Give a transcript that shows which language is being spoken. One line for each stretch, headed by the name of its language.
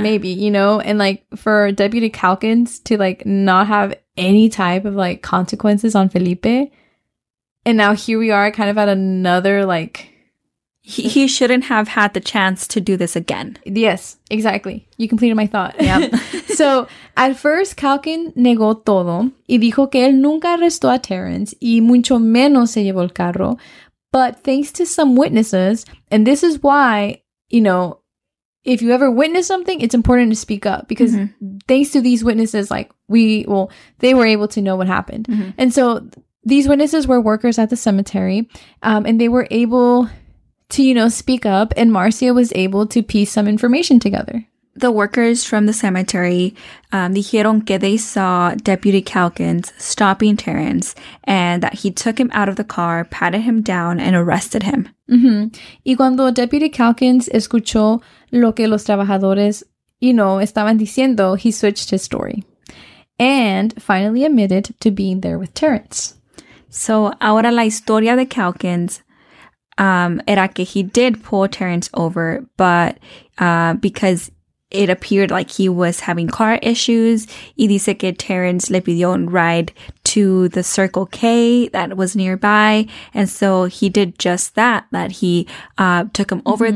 English: Maybe, you know, and like for Deputy Calkins to like not have any type of like consequences on Felipe. And now here we are kind of at another like... He shouldn't have had the chance to do this again. Yes, exactly. You completed my thought. Yeah. So, at first,
Spanish: Calkin negó todo y dijo que él nunca arrestó a Terrence y mucho menos se llevó el carro.
English: But thanks to some witnesses, and this is why, you know, if you ever witness something, it's important to speak up. Because mm-hmm. thanks to these witnesses, like, they were able to know what happened. Mm-hmm. And so, these witnesses were workers at the cemetery, and they were able... to, you know, speak up, and Marcia was able to piece some information together. The workers from the cemetery,
Spanish: dijeron que
English: they saw Deputy Calkins stopping Terrence and that he took him out of the car, patted him down, and arrested him. Mm-hmm.
Spanish: Y cuando Deputy Calkins escuchó lo que los trabajadores,
English: you know,
Spanish: estaban diciendo,
English: he switched his story and finally admitted to being there with Terrence.
Spanish: So ahora la historia de Calkins... era que
English: he did pull Terrence over, but because it appeared like he was having car issues.
Spanish: Y dice que Terrence le pidió un ride
English: to the Circle K that was nearby. And so he did just that, that he took him over mm-hmm.